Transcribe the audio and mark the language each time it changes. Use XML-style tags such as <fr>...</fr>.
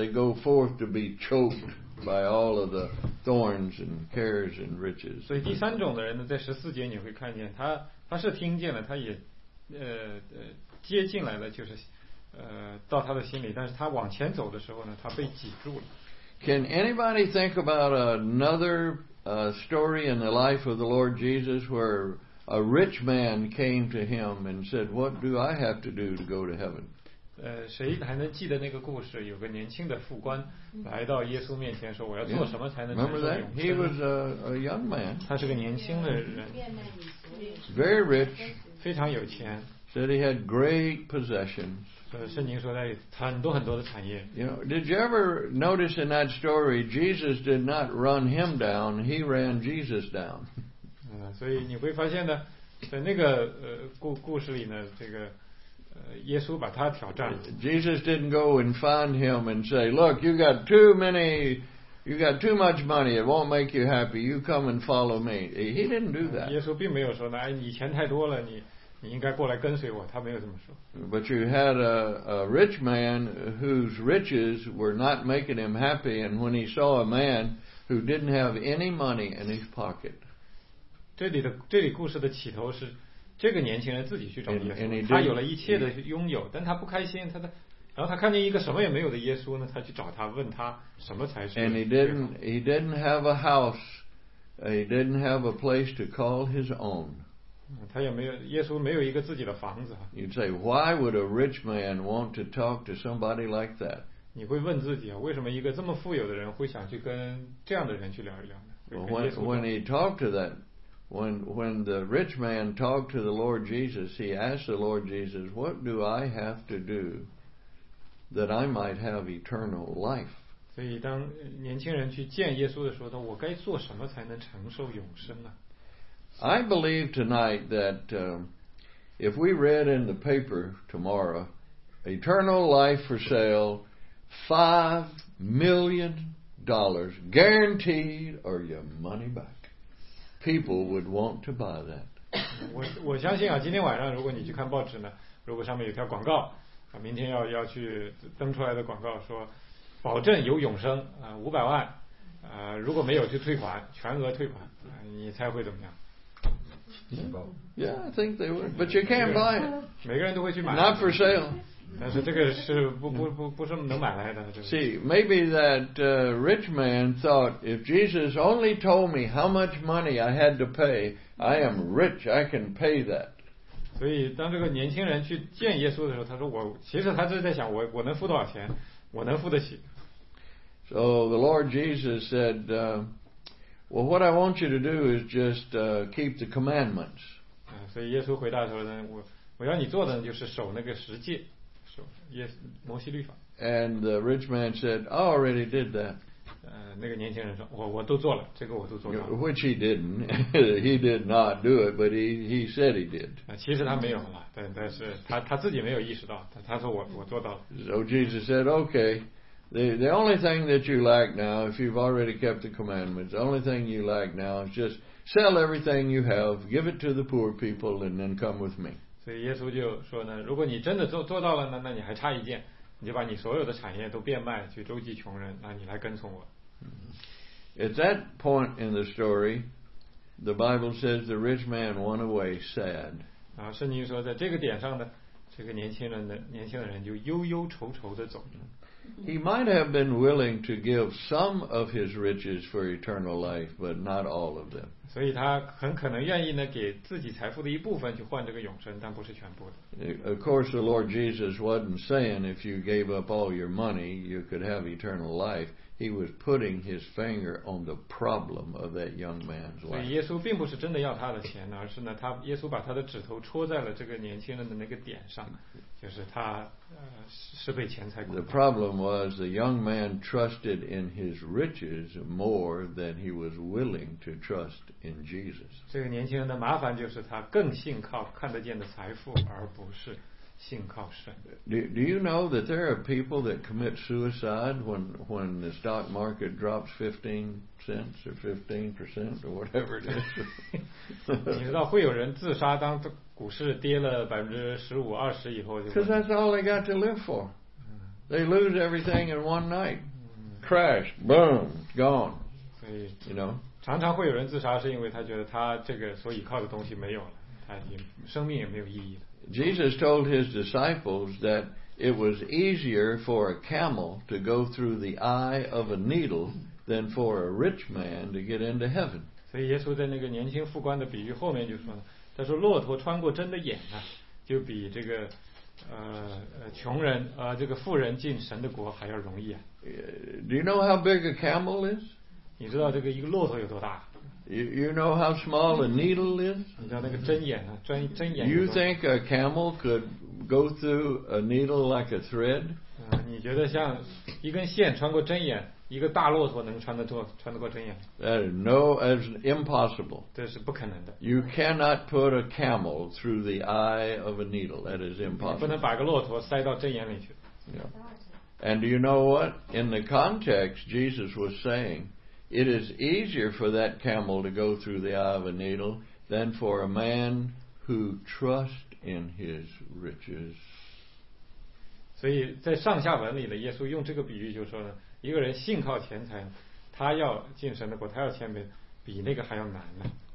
<en>They go forth to be choked by all of the thorns and cares and riches.</en> <zh>所以第三种的人呢，在十四节你会看见他是听见了，他也接近来了，就是到他的心里，但是他往前走的时候呢，他被挤住了。</zh> <en>Can anybody think about another story in the life of the Lord Jesus where a rich man came to him and said, "What do I have to do to go to heaven?"</en> <zh>谁还能记得那个故事？有个年轻的副官来到耶稣面前说：“我要做什么才能</zh> <en>？”Remember that? He was a young man.</en> <zh>他是个年轻的人。</zh> <en>Very rich.</en> <zh>非常有钱。</zh> <en>Said he had great possessions.</en> <zh>圣经说他有很多很多的产业。</zh> <en>You know, did you ever notice in that story, Jesus did not run him down; he ran Jesus down.</en> <zh>所以你会发现呢，在那个故事里呢，这个。耶稣把他挑战了。</zh> <en>Jesus didn't go and find him and say, "Look, you got too many, you got too much money. It won't make you happy. You come and follow me." He didn't do that.</en> <zh>耶稣并没有说呢，哎，你钱太多了，你应该过来跟随我。他没有这么说。</zh> <en>But you had a rich man whose riches were not making him happy, and when he saw a man who didn't have any money in his pocket,</en> <zh>这里故事的起头是。这个年轻人自己去找耶稣，他有了一切的拥有，但他不开心。然后他看见一个什么也没有的耶稣呢，他去找他，问他什么才是。</zh> <en>And he didn't have a house, he didn't have a place to call his own.</en> <zh>他也没有，耶稣没有一个自己的房子。</zh> <en>You'd say, "Why would a rich man want to talk to somebody like that?"</en> <zh>你会问自己啊，为什么一个这么富有的人会想去跟这样的人去聊一聊呢？</zh> <en>When he talked to that. When the rich man talked to the Lord Jesus, he asked the Lord Jesus, "What do I have to do that I might have eternal life?"</en> <zh>所以当年轻人去见耶稣的时候，他我该做什么才能承受永生呢？</zh> <en>I believe tonight that if we read in the paper tomorrow, "Eternal life for sale, $5 million, guaranteed, or your money back." People would want to buy that.</en> <zh>我相信啊，今天晚上如果你去看报纸呢，如果上面有条广告，啊，明天要去登出来的广告说，保证有永生啊，500万，如果没有就退款，全额退款，你猜会怎么样？</zh> <en>Yeah, I think they would, but you can't buy it.</en> <zh>每个人都会去买。</zh> <en>Not for sale.</en> <zh>但是这个是不是能买来的。</zh> <en>See, maybe that rich man thought, "If Jesus only told me how much money I had to pay, I am rich, I can pay that."</en> <zh>所以当这个年轻人去见耶稣的时候，他说他是在想我能付多少钱，我能付得起。</zh> <en>So the Lord Jesus said, Well, what I want you to do is just keep the commandments.</en> <zh>所以耶稣回答说呢，我要你做的就是守那个十诫，守耶摩西律法。</zh> <en>And the rich man said, "I already did that."</en> <zh>那个年轻人说，我都做了，这个我都做到了。</zh> <en>Which he didn't. He did not do it, but he said he did.</en> <zh>其实他没有了，但是他自己没有意识到，他说我做到了。</zh> <en>So Jesus said, "Okay." The only thing that you lack now, if you've already kept the commandments, the only thing you lack now is just sell everything you have, give it to the poor people, and then come with me.</en> <zh>所以耶稣就说呢，如果你真的做到了，那你还差一件，你就把你所有的产业都变卖，去周济穷人，那你来跟从我。</zh> <en>At that point in the story, the Bible says the rich man went away sad.</en> <zh>然后圣经说，在这个点上呢，这个年轻人就忧忧愁愁的走了。</zh> <en>He might have been willing to give some of his riches for eternal life, but not all of them.</en> <zh>所以他很可能愿意呢，给自己财富的一部分去换这个永生，但不是全部的。</zh> <en>Of course, the Lord Jesus wasn't saying if you gave up all your money, you could have eternal life. He was putting his finger on the problem of that young man's life.</en> <zh>所以耶稣并不是真的要他的钱，而是呢，耶稣把他的指头戳在了这个年轻人的那个点上。就是他是被钱财。</zh> <en>The problem was the young man trusted in his riches more than he was willing to trust in Jesus.</en> <zh>这个年轻人的麻烦就是他更信靠看得见的财富，而不是信靠神。</zh> <en>Do you know that there are people that commit suicide when the stock market drops 15 cents or 15% or whatever it is?</en> <zh>你知道会有人自杀当中。股市跌了15-20%以后，</zh> <en>就 because that's all they got to live for. They lose everything in one night. Crash, boom, gone.</en> <zh>所以</zh> <en>you know,</en> <zh>常常会有人自杀，是因为他觉得他这个所依靠的东西没有了，他生命也没有意义了。</zh> <en>Jesus told his disciples that it was easier for a camel to go through the eye of a needle than for a rich man to get into heaven.</en> <zh>所以耶稣在那个年轻副官的比喻后面就说。他说骆驼穿过针的眼呢、啊、就比这个穷人这个富人进神的国还要容易啊。</zh> <en>Do you know how big a camel is?</en> <zh>你知道这个一个骆驼有多大？</zh> <en>You know how small a needle is?</en> <zh>你知道那个针眼啊，针眼。</zh> <en>You think a camel could go through a needle like a thread?</en> <zh>你觉得像一根线穿过针眼，一个大骆驼能穿得过针眼？</zh> <en>That is no, as impossible.</en> <zh>这是不可能的。</zh> <en>You cannot put a camel through the eye of a needle. That is impossible.</en> <zh>不能把个骆驼塞到针眼里去。</zh> <en>And do you know what? In the context, Jesus was saying, it is easier for that camel to go through the eye of a needle than for a man who trusts in his riches.</en> <zh>所以在上下文里呢，耶稣用这个比喻就说呢，一个人信靠钱财，他要进神的国，他要谦卑，比那个还要难呢。</zh>